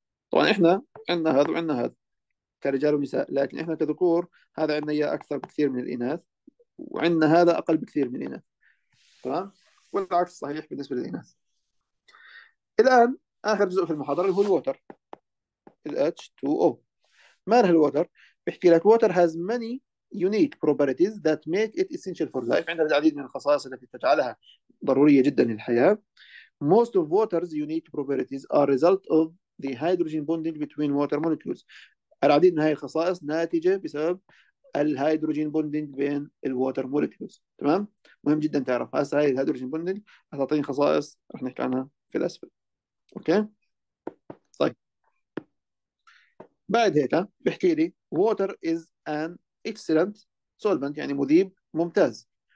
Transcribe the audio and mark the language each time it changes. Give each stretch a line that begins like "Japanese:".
Arabic: طبعا احنا عندنا هذا وعندنا هذا كرجال ونساء، لكن احنا كذكور هذا عندنا اياه اكثر بكثير من الاناث، وعندنا هذا اقل بكثير من الاناث، تمام؟ والعكس صحيح بالنسبه للاناث. الان اخر جزء في المحاضره اللي هو الووتر، ال H2O. ما له الووتر؟ بيحكي لك ووتر هاز ماني يونيك بروبرتيز ذات ميك ات اسينشال فور لايف، عندها العديد من الخصائص التي تجعلها ضروريه جدا للحياه.
English: Most of water's unique properties are result of the hydrogen bonding between water molecules.
Arabic: العديد من هذه الخصائص ناتجة بسبب الهيدروجين بوندينج بين الواتر موليكيولز، تمام؟ مهم جدا تعرف هسه هاي الهيدروجين بوندينج هتعطيني خصائص رح نحكي عنها في الأسفل. أوكي؟ طيب بعد هيك بحكي لي
English: water is an excellent solvent،
Arabic: يعني مذيب ممتاز.